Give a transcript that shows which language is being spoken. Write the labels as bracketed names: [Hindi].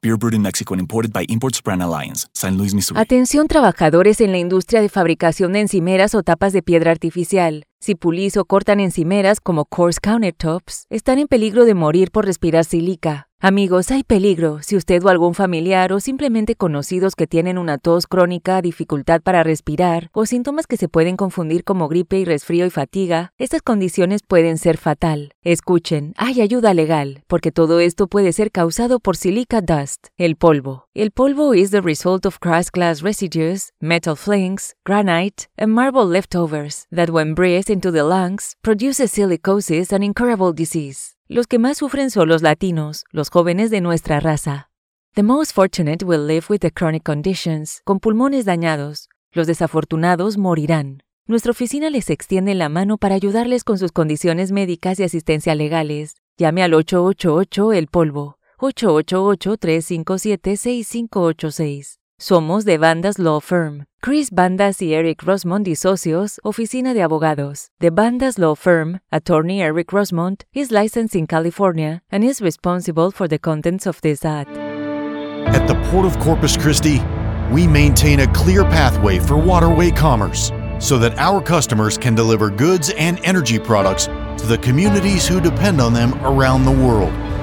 [English] Beer brewed in Mexico and imported by Imports Brand Alliance. San Luis, Missouri. [Spanish] Atención, trabajadores en la industria de fabricación de encimeras o tapas de piedra artificial. Si pulís o cortan encimeras como coarse countertops, están en peligro de morir por respirar sílica. Amigos, hay peligro. Si usted o algún familiar o simplemente conocidos que tienen una tos crónica, dificultad para respirar o síntomas que se pueden confundir como gripe y resfrío y fatiga, estas condiciones pueden ser fatal. Escuchen, hay ayuda legal, porque todo esto puede ser causado por silica dust, el polvo. [English] El polvo is the result of crushed glass residues, metal flakes, granite, and marble leftovers that when breathed into the lungs, produces silicosis and incurable disease. [Spanish] Los que más sufren son los latinos, los jóvenes de nuestra raza. [English] The most fortunate will live with the chronic conditions, [Spanish] con pulmones dañados. Los desafortunados morirán. Nuestra oficina les extiende la mano para ayudarles con sus condiciones médicas y asistencia legales. Llame al 888-EL-POLVO, 888-357-6586. Somos de Bandas Law Firm. Chris Bandas y Eric Rosmond y socios, oficina de abogados. [English] The Bandas Law Firm, attorney Eric Rosmond, is licensed in California and is responsible for the contents of this ad. At the Port of Corpus Christi, we maintain a clear pathway for waterway commerce so that our customers can deliver goods and energy products to the communities who depend on them around the world.